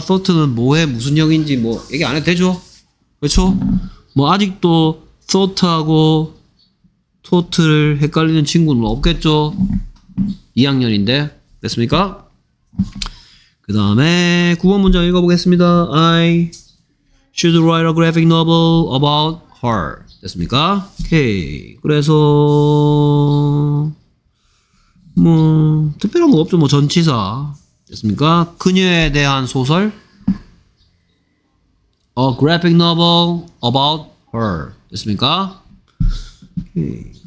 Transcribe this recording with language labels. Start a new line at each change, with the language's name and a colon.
Korean: Thought는 뭐에 무슨 형인지 뭐 얘기 안 해도 되죠? 그렇죠? 뭐 아직도 thought하고 thought를 헷갈리는 친구는 없겠죠? 2학년인데. 됐습니까? 그 다음에 9번 문장 읽어보겠습니다.
English: I should write a graphic novel about her.
Korean: 됐습니까? 오케이. 그래서 뭐 특별한 거 없죠. 뭐 전치사. 됐습니까? 그녀에 대한 소설.
English: A graphic novel about her.
Korean: 됐습니까? 오케이.